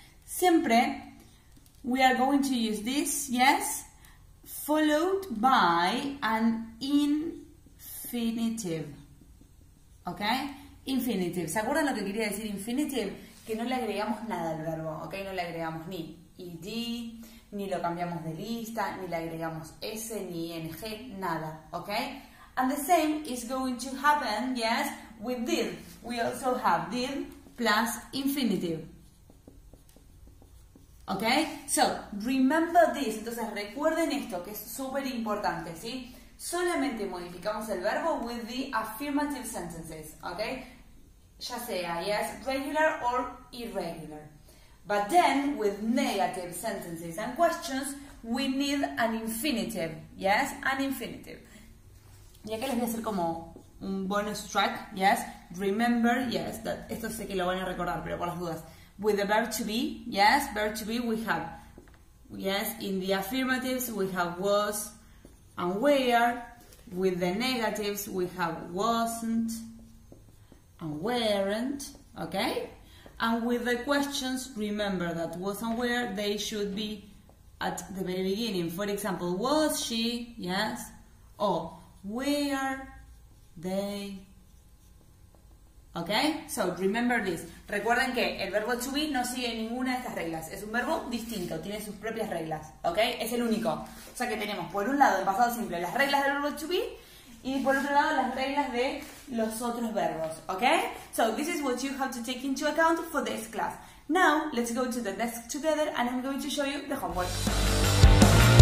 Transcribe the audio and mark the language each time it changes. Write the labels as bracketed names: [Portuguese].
[English] Siempre, we are going to use this, yes, followed by an infinitive, ¿ok? [Spanish] Infinitive. ¿Se acuerdan lo que quería decir infinitive? Que no le agregamos nada al verbo, ¿ok? No le agregamos ni ed, ni lo cambiamos de lista, ni le agregamos s, ni ing, nada, ¿ok? [English] And the same is going to happen, yes, with did. We also have did plus infinitive. Okay? So, remember this. [Spanish] Entonces, recuerden esto, que es súper importante, ¿sí? Solamente modificamos el verbo [English] with the affirmative sentences, okay? [Spanish] Ya sea, [English] yes, regular or irregular. But then, with negative sentences and questions, we need an infinitive. Yes, an infinitive. [Spanish] Y acá les voy a hacer como un bonus track. [English] Yes, remember. [Spanish] Yes, that esto sé que lo van a recordar, pero por las dudas. [English] With the verb to be. Yes, verb to be. We have. Yes, in the affirmatives we have was and were. With the negatives we have wasn't and weren't. Okay. And with the questions, remember that was and were, they should be at the very beginning. For example, was she, yes, or were they, okay? So, remember this. [Spanish] Recuerden que el verbo to be no sigue ninguna de estas reglas. Es un verbo distinto, tiene sus propias reglas, okay? Es el único. O sea que tenemos, por un lado, en pasado simple, las reglas del verbo to be, y por otro lado, las reglas de los otros verbos, okay? [English] So, this is what you have to take into account for this class. Now, let's go to the desk together and I'm going to show you the homework.